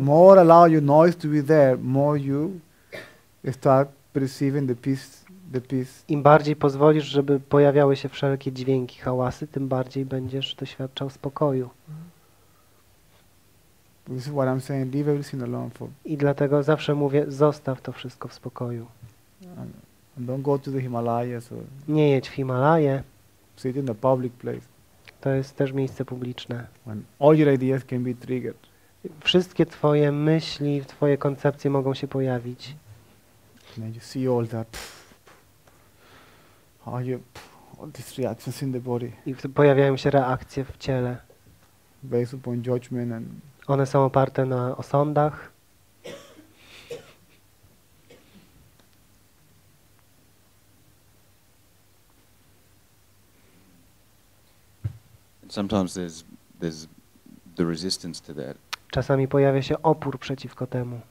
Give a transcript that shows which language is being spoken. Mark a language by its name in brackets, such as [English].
[English] More allow your noise to be there, more you start perceiving the peace. [Polish] Im bardziej pozwolisz, żeby pojawiały się wszelkie dźwięki, hałasy, tym bardziej będziesz doświadczał spokoju. [English] This is what I'm saying. Leave everything alone for. [Polish] I dlatego zawsze mówię, zostaw to wszystko w spokoju. [English] And don't go to the Himalayas. Or [Polish] nie jedź w Himalaje. [English] Sit in the public place. [Polish] To jest też miejsce publiczne. [English] When all your ideas can be triggered. [Polish] Wszystkie twoje myśli, twoje koncepcje mogą się pojawić. [English] And you see all that. All these reactions in the body. [Polish] I pojawiają się reakcje w ciele. [English] Based upon judgment and [Polish] one są oparte na osądach. [English] Sometimes there's the resistance to that. [Polish] Czasami pojawia się opór przeciwko temu.